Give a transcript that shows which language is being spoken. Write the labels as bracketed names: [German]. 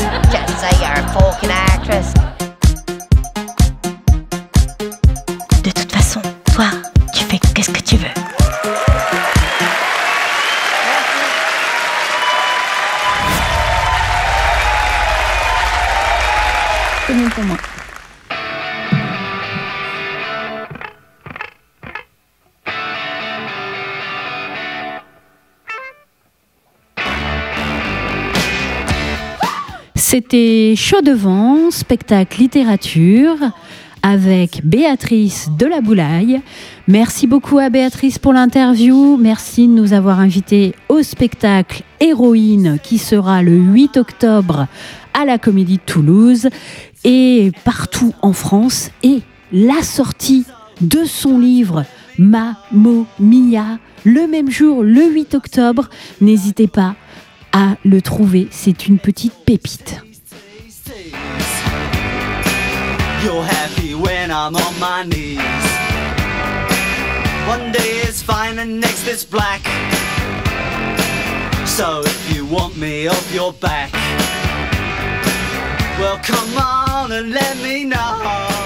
[English] Just say you're a fucking actress. [French] De toute façon, toi, tu fais qu'est-ce que tu veux. C'était Chaud Devant, spectacle littérature avec Béatrice de la Boulaye. Merci beaucoup à Béatrice pour l'interview. Merci de nous avoir invités au spectacle Héroïne qui sera le 8 octobre à la Comédie de Toulouse. Et partout en France, et la sortie de son livre Mamma Mia, le même jour, le 8 octobre. N'hésitez pas à le trouver, c'est une petite pépite. [English] You're happy when I'm on my knees. One day is fine and next is black. So if you want me off your back, well, come on and let me know.